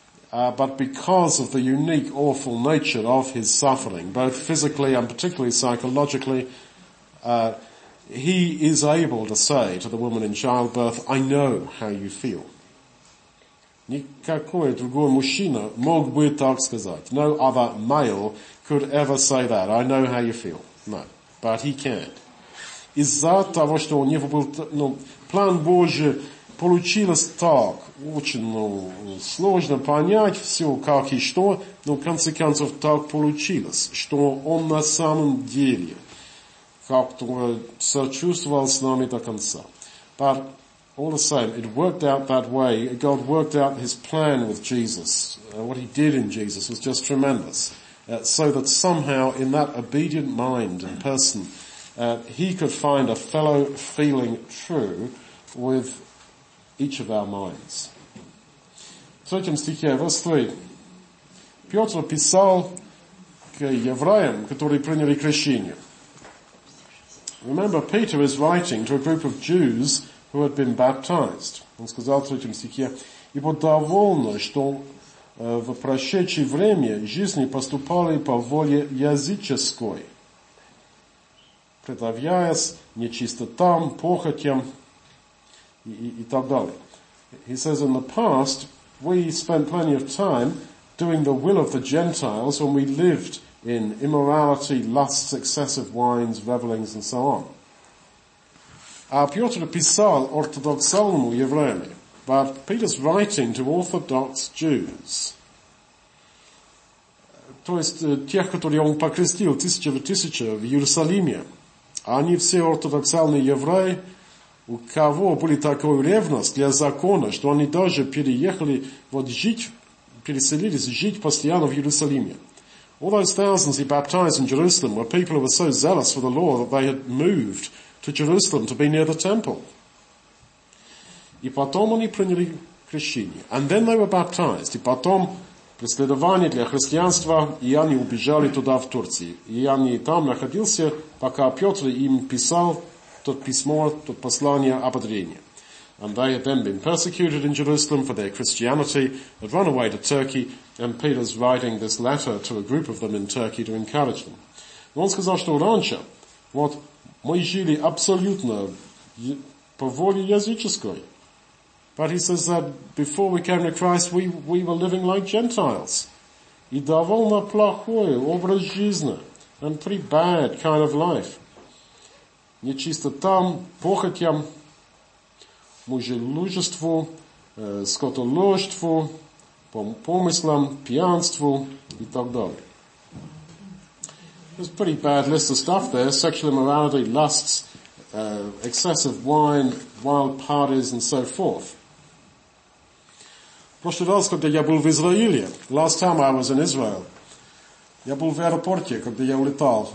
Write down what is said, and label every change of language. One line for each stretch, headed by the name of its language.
English: But because of the unique, awful nature of his suffering, both physically and particularly psychologically, he is able to say to the woman in childbirth, I know how you feel.
Russian: Никакой другой мужчина мог бы так сказать.
English: No other male could ever say that. I know how you feel. No. But he can't.
Russian: Из-за того, что у него был, ну, план Божий, получилось так, очень, ну, сложно понять все, как и что, но в конце концов так получилось, что он на самом деле как-то сочувствовал с нами до конца.
English: But all the same, it worked out that way. God worked out his plan with Jesus. What he did in Jesus was just tremendous. So that somehow in that obedient mind and person, He could find a fellow feeling true with each of our minds.
Russian: третьем стихе,
English: verse 3,
Russian: Петр писал к евреям, которые приняли крещение.
English: Remember, Peter is writing to a group of Jews who had been baptized.
Russian: Он сказал в третьем стихе, «Ибо довольно, что в прошедшее время жизни поступали по воле языческой, предавляясь нечистотам, похотям и так далее».
English: He says, in the past, we spent plenty of time doing the will of the Gentiles when we lived in immorality, lusts, excessive wines, revelings, and so on.
Russian: А Петр писал ортодоксальному евреям,
English: but Peter's writing to Orthodox Jews,
Russian: то есть тех, которые он покрестил, тысяча в тысяча в Иерусалиме, они все ортодоксальные евреи, у кого были такая ревность для закона, что они даже переехали вот жить, переселились жить постоянно в Иерусалиме.
English: All those thousands he baptized in Jerusalem were people who were so zealous for the law that they had moved to Jerusalem to be near the temple.
Russian: И потом они приняли крещение.
English: And then they were baptized.
Russian: И потом преследование для христианства, и они убежали туда, в Турции. И они там находился, пока Петр им писал тот письмо, тот послание ободрения.
English: And they had then been persecuted in Jerusalem for their Christianity, had run away to Turkey, and Peter's writing this letter to a group of them in Turkey to encourage them.
Russian: Он сказал, что раньше, вот, мы жили абсолютно по воле языческой.
English: But he says that before we came to Christ, we were living like Gentiles.
Russian: И довольно плохой образ жизни,
English: and pretty bad kind of life.
Russian: Нечистотам, похотям, мужелужеству, скотоложству, помыслам, пьянству и так далее.
English: There's a pretty bad list of stuff there. Sexual immorality, lusts, excessive wine, wild parties and so forth.
Russian: Прошлый раз, когда я был в Израиле,
English: last time I was in Israel,
Russian: я был в аэропорте, когда я улетал.